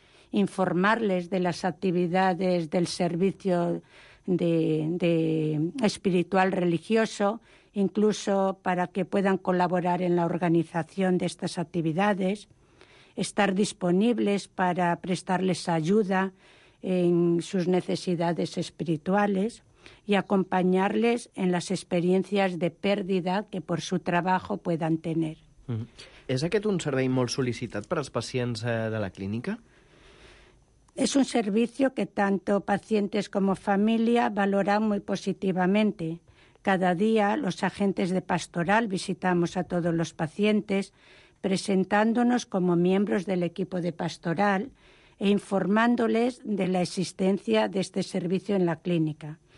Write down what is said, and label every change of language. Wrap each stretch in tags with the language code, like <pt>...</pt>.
<es>informarles de las actividades del servicio de espiritual religioso, incluso para que puedan colaborar en la organización de estas actividades, estar disponibles para prestarles ayuda en sus necesidades espirituales y acompañarles en las experiencias de pérdida que por su trabajo puedan tener.</es> <ca>¿Es aquest un servei molt sol·licitat per als pacients de la clínica?</ca> <es>Es un servicio que tanto pacientes como familia valoran muy positivamente. Cada día los agentes de pastoral visitamos a todos los pacientes, presentándonos como miembros del equipo de pastoral e informándoles de la existencia de este servicio en la clínica.</es>